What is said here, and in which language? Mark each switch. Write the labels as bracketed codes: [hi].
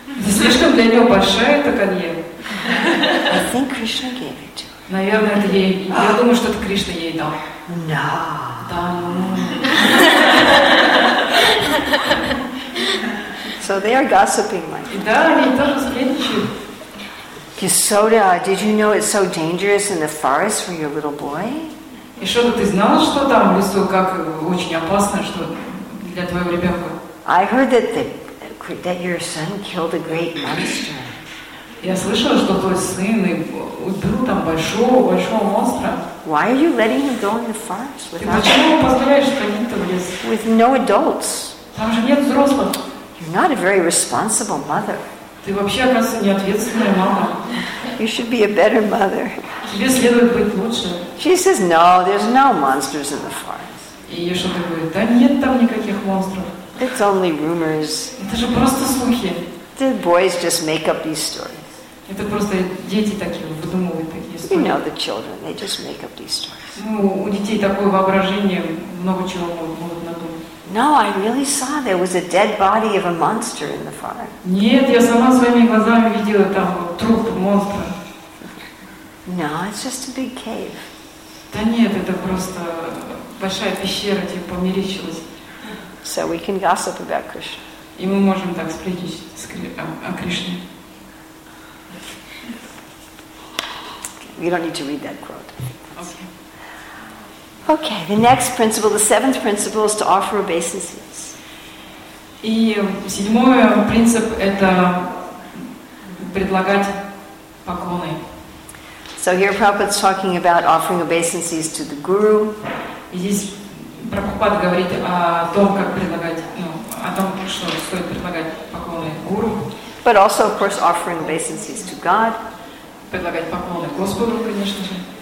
[ru] Слишком для нее большое это колье. [en] I think Krishna gave it to her. [ru] Наверное, это ей. Я думаю, что это Кришна ей дал. [en] No. [ru] Да. [en] So they are gossiping, my. [ru] Да, они тоже сплетничают. [en] Yasoda, did you know it's so dangerous in the forest for your little boy? [ru] Yasoda, ты знала, что там в лесу как очень опасно, что для твоего ребенка? [en] I heard that that your son killed a great monster. [ru] Я слышала, что твой сын убил там большого монстра. [en] Why are you letting him go in the forest without? [ru] Почему позволяешь ходить там в лес? [en] With no adults. [ru] Там же нет взрослых. [en] You're not a very responsible mother. [ru] Ты вообще, оказывается, неответственная мама. [en] You should be a better mother. [ru] Тебе следует быть лучше. [en] She says, no, there's no monsters in the forest. [ru] И ее что-то говорит, да нет там никаких монстров. [en] It's only rumors. [ru] Это же просто слухи. [en] The boys just make up these stories. [ru] Это просто дети такие выдумывают такие истории. [en] You know the children, they just make up these stories. [ru] Ну, у детей такое воображение, много чего могут надумать. [en] No, I really saw there was a dead body of a monster in the forest. [ru] Нет, я сама своими глазами видела там труп монстра. [en] No, it's just a big cave. [ru] Да нет, это просто большая пещера, тебе померещилось. [en] So we can gossip about Krishna. [ru] И мы можем так сплетничать о Кришне. [en] We don't need to read that quote. Okay. Okay, the next principle, the seventh principle, is to offer obeisances. [ru] И седьмой принцип – это предлагать поклоны. [en] So here Prabhupada's talking about offering obeisances to the Guru. [ru] И здесь Прабхупада говорит о том, как предлагать, ну, о том, что стоит предлагать поклоны Гуру. [en] But also, of course, offering obeisances to God. [ru] Предлагать поклоны Господу, конечно же.